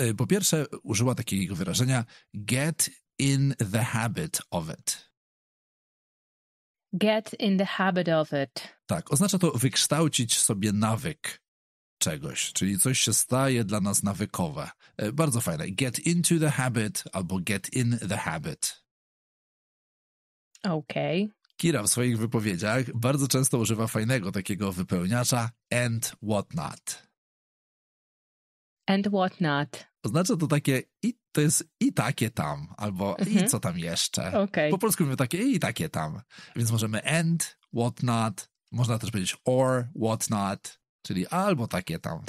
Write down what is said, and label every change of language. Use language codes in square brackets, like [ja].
[pl] Po pierwsze, użyła takiego wyrażenia [en] get in the habit of it. Get in the habit of it. [pl] Tak, oznacza to wykształcić sobie nawyk czegoś, czyli coś się staje dla nas nawykowe. Bardzo fajne. [en] Get into the habit [pl] albo [en] get in the habit. [pl] Okej. Kira w swoich wypowiedziach bardzo często używa fajnego takiego wypełniacza [en] and whatnot. And whatnot. [pl] Oznacza to takie i to jest i takie tam, albo i co tam jeszcze. [en] Okay. [pl] Po polsku mówimy takie i takie tam. Więc możemy [en] and whatnot, [pl] można też powiedzieć [en] or whatnot, [pl] czyli albo takie tam.